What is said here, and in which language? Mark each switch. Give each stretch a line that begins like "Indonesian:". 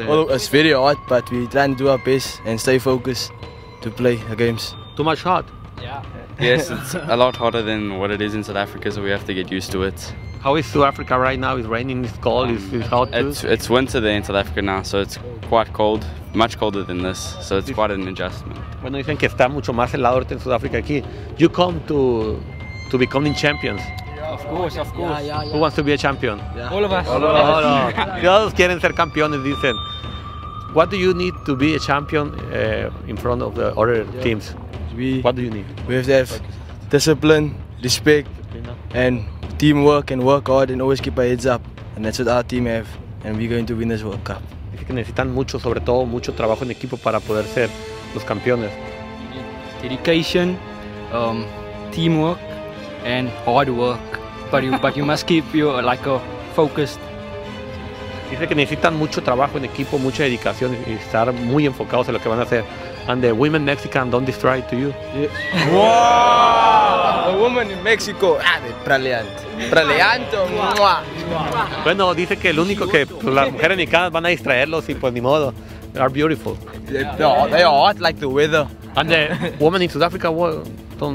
English: Oh, it's very hot, but we try to do our best and stay focused to play the games. Too much hot? Yeah. Yes, it's a lot hotter than what it is in South Africa, so we have to get used to it. How is South Africa right now? It's raining, it's cold, it's hot too? It's winter there in South Africa now, so it's quite cold, much colder than this, so it's quite an adjustment.
Spanish: Bueno, dicen que está mucho más helado en South Africa aquí.
English: You come to becoming champions? Of course. Yeah. Who wants to be a champion? Yeah. All of us.
Spanish: Todos quieren ser campeones, dicen.
English: What do you need to be a champion in front of the other teams? What do you need? We have to have discipline, respect, and teamwork, and work hard, and always keep our heads up. And that's what our team have, and we're going to win this World Cup.
Spanish: Dice que necesitan mucho, sobre todo, mucho trabajo en equipo para poder ser los campeones.
English: Dedication, teamwork, and hard work. But you must keep your, focused.
Spanish: Dice que necesitan mucho trabajo en equipo, mucha dedicación y estar muy enfocados en lo que van a hacer.
English: And the women Mexican don't distract to you. Yeah. Wow! The women in Mexico, praleante. Praleante.
Spanish: Bueno, dice que el único que pues, las mujeres mexicanas van a distraerlos y pues ni modo.
English: They are beautiful. Yeah. They are hot like the weather. And the women in South Africa, what? Beautiful.